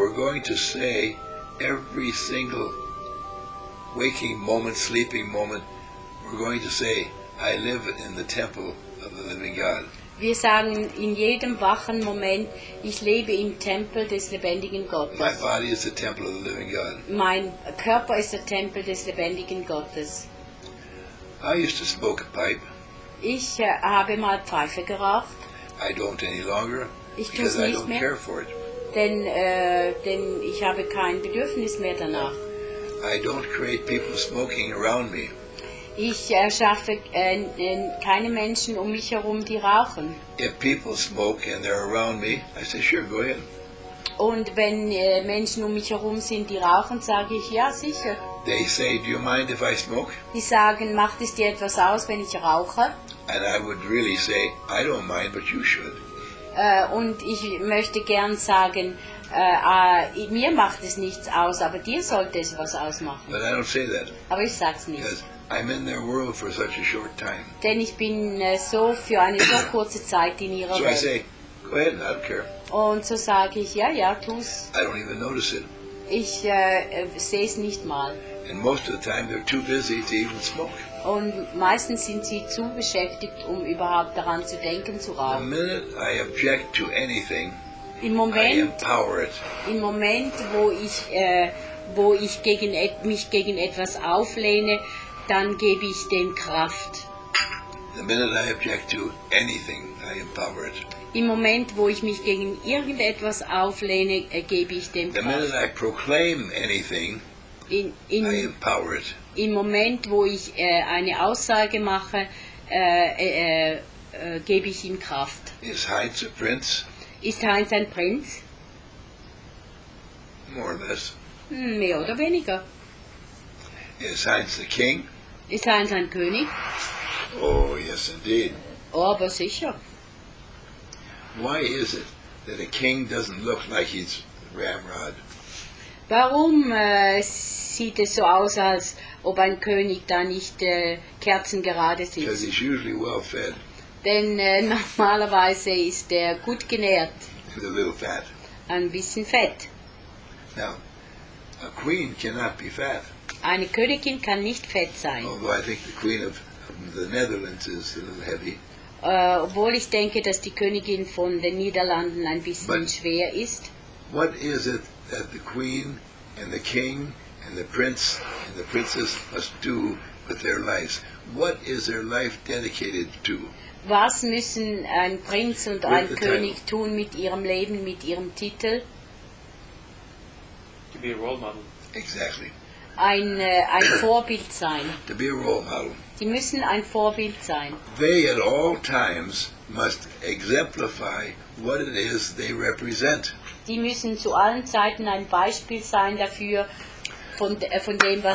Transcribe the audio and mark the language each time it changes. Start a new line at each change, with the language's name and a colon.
English: We're going to say every single waking moment, sleeping moment, we're going to say, I live in the temple of the living God.
German: Wir sagen in jedem wachen Moment, ich lebe im Tempel des lebendigen Gottes.
English: My body is the temple of the living God.
German: Mein Körper ist der Tempel des lebendigen Gottes.
English: I used to smoke a pipe.
German: Ich habe mal Pfeife geraucht.
English: I don't any longer,
German: ich
English: because
German: nicht
English: I don't
German: mehr,
English: care for it.
German: Denn ich habe kein Bedürfnis mehr danach.
English: I don't create people smoking around me.
German: Ich erschaffe keine Menschen um mich herum, die rauchen.
English: If people smoke and they're around me, I say, sure, go ahead.
German: Und wenn Menschen um mich herum sind, die rauchen, sage ich, ja, sicher.
English: They say, do you mind if I smoke?
German: Die sagen, macht es dir etwas aus, wenn ich rauche?
English: And I would really say, I don't mind, but you should.
German: Und ich möchte gern sagen, mir macht es nichts aus, aber dir sollte es was ausmachen.
English: But I don't say that.
German: Aber ich sag's nicht.
English: Because I'm in their world for such a short time.
German: Denn ich bin so für eine so kurze Zeit in ihrer Welt.
English: So I say, go ahead, I don't care.
German: Und so sage ich, ja, ja, tu's.
English: I don't even notice it.
German: Ich sehe es nicht mal.
English: And most of the time they're too busy to even smoke.
German: Und meistens sind sie zu beschäftigt, um überhaupt daran zu denken, zu rauchen.
English: The minute I object to anything,
German: im Moment,
English: I empower it.
German: Im Moment, wo ich mich gegen etwas auflehne, dann gebe ich den Kraft.
English: The minute I object to anything, I empower it.
German: Im Moment, wo ich mich gegen irgendetwas auflehne, gebe ich dem Kraft.
English: The minute I proclaim anything, I empower it.
German: Im Moment, wo ich eine Aussage mache, gebe ich ihm Kraft.
English: Is Heinz a prince?
German: Ist Heinz ein Prinz?
English: More or less.
German: Mehr oder weniger.
English: Is Heinz a king?
German: Ist Heinz ein König?
English: Oh, yes indeed.
German: Oh, aber sicher.
English: Why is it that a king doesn't look like he's ramrod?
German: Warum sieht es so aus, als ob ein König da nicht kerzengerade sitzt?
English: Because he's usually well fed.
German: Denn normalerweise ist er gut genährt.
English: With a little fat.
German: Ein bisschen fett.
English: Now, a queen cannot be fat.
German: Eine Königin kann nicht fett sein.
English: Although I think the queen of the Netherlands is a little heavy.
German: Obwohl ich denke, dass die Königin von den Niederlanden ein bisschen
English: But
German: schwer ist.
English: What is it that the queen and the king and the prince and the princess must do with their lives? What is their life dedicated to?
German: Was müssen ein Prinz und ein König tun mit ihrem Leben, mit ihrem Titel?
English: To be a role model. Exactly.
German: Ein Vorbild sein.
English: To be a role model.
German: Die müssen ein Vorbild sein.
English: They at all times must exemplify what it is they represent.
German: Die müssen zu allen Zeiten ein Beispiel sein dafür, von dem, was